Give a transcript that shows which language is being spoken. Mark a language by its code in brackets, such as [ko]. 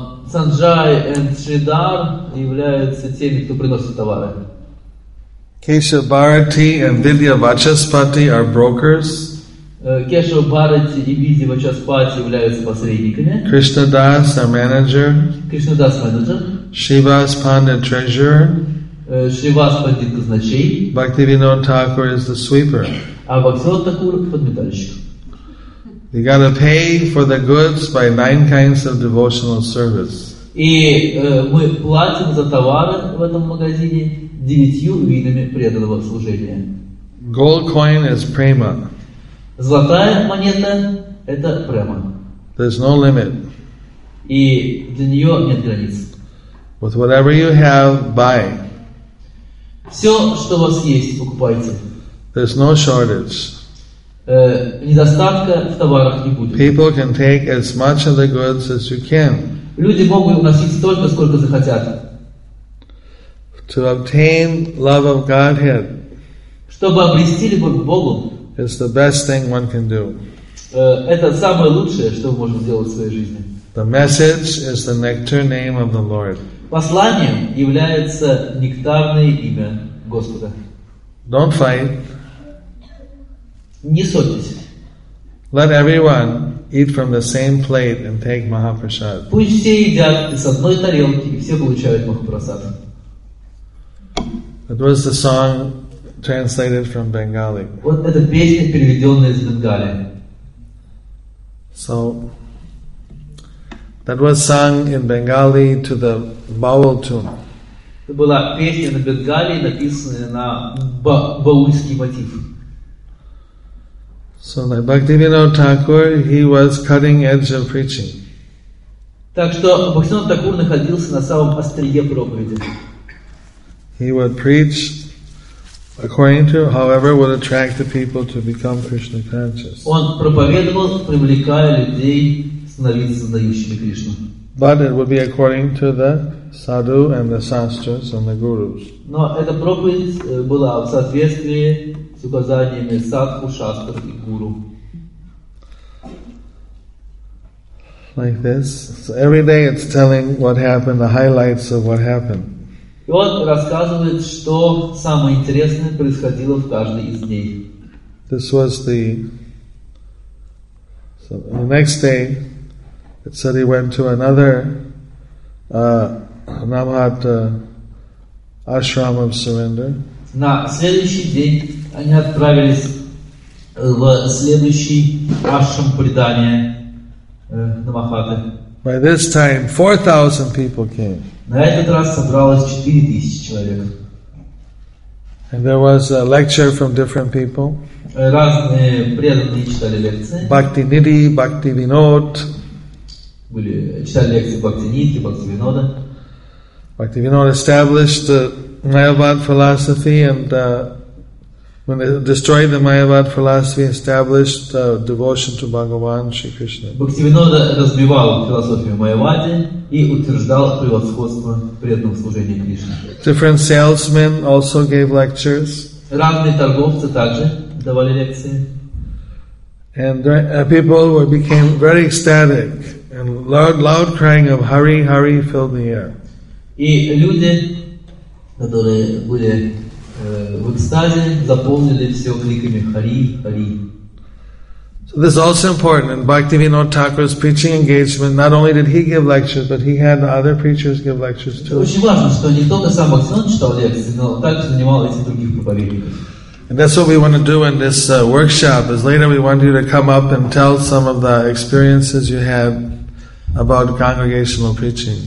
[ru] Sanjay and Sridhar являются теми, кто приносит товары. [en] Keshav Bharati and Vidya Vachaspati are brokers. [ru] Keshav Bharati and Vidya Vachaspati являются посредниками. [en] Krishna Das, our manager. Krishna Das, manager. Shivas Pandit, treasurer. [ru] Shivas Pandit, казначей. [en] Bhaktivinoda Thakur is the sweeper. [ru] А Bhaktivinoda Thakur, подметальщик. [en] You gotta pay for the goods by 9 kinds of devotional service. [ru] И мы платим за товары в этом магазине 9 видами преданного служения. [en] Gold coin is prema. [ru] Золотая монета – это према. [en] There's no limit. [ru] И для нее нет границ. [en] With whatever you have, buy. [ru] Все, что у вас есть, покупайте. [en] There's no shortage. [ru] Недостатка в товарах не будет. [en] People can take as much of the goods as you can. [ru] Люди могут уносить столько, сколько захотят. [en] To obtain love of Godhead. [ru] Чтобы обрести любовь к Богу. [en] It's the best thing one can do. [ru] Это самое лучшее, что мы можем сделать в своей жизни. [en] The message is the nectar name of the Lord. [ru] Посланием является нектарное имя Господа. [en] Don't fight. [ru] Не ссорьтесь. [en] Let everyone eat from the same plate and take Mahaprasad. [ru] Пусть все едят из одной тарелки и все получают Mahaprasad. [en] It was the song translated from Bengali. [ru] Вот эта песня, переведенная из Бенгали. [en] So that was sung in Bengali to the Baul tune. [ru] Это была песня на Бенгали, написанная на баульский мотив. [en] So like Bhaktivinoda Thakur, he was cutting edge of preaching. [ru] Так что Бхактивинода Такур находился на самом острие проповеди. [en] He would preach according to however would attract the people to become Krishna conscious. [ru] Он проповедовал, привлекая людей становиться знающими Кришну. [en] But it would be according to the sadhu and the sastras and the gurus. [ru] Но эта проповедь была в соответствии с указаниями садху, шастр и гуру. [en] like this. So every day it's telling what happened, the highlights of what happened. [ru] И он рассказывает, что самое интересное происходило в каждый из дней. [en] This was the... So the next day, it said he went to another Namahat ashram of surrender. [ru] На следующий день они отправились в следующий ашрам предания Намахаты. [en] By this time, 4,000 people came. [ru] На этот раз собралось 4,000 человек. [en] And there was a lecture from different people. [ru] Разные преданные читали лекции. Бхакти Ниди, Бхакти Винод. Были читали лекции Бхакти Ниди, Бхакти Винода. [en] Бхакти Винод established the Mayavad philosophy, and when they destroyed the Mayavad philosophy, established devotion to Bhagavan, Shri Krishna. [ru] Бхакти Винода разбивал философию Майявады и утверждал превосходство преданного служения Кришне. [en] Different salesmen also gave lectures. [ru] Разные торговцы также давали лекции. [en] And people became very ecstatic, and loud crying of Hari, Hari filled the air. [ru] И люди, которые были в экстазе, заполнили все кликами Хари, Хари. [en] So this is also important. In Bhaktivinoda Thakur's preaching engagement, not only did he give lectures, but he had other preachers give lectures too. [ru] Очень важно, что не только сам Бхактивинод читал лекции, но также занимал этих других проповедников. [en] And that's what we want to do in this workshop, is later we want you to come up and tell some of the experiences you had about congregational preaching.